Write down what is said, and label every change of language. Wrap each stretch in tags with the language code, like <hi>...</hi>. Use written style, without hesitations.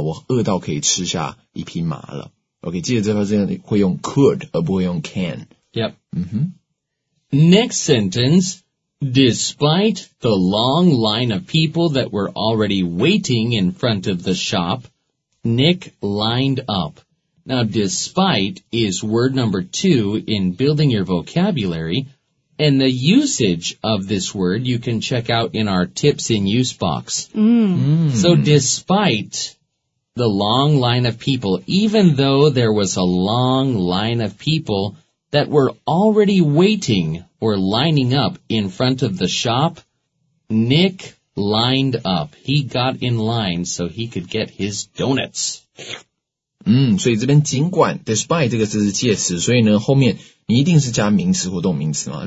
<zh>我饿到可以吃下一匹马了。 Okay, 记得这方面会用 could, 而不会用 can.</zh> <en>Yep.、 Mm-hmm. Next sentence, despite the long line of people that were already waiting in front of the shop, Nick lined up. Now, despite is word number 2 in building your vocabulary, and the usage of this word you can check out in our tips in use box. So, despite... The long line of people, even though there was a long line of people that were already waiting or lining up in front of the shop, Nick lined up. He got in line so he could get his donuts.</en> <zh>所以这边尽管 despite 这个字是介词，所以呢后面你一定是加名词或动名词嘛。</zh>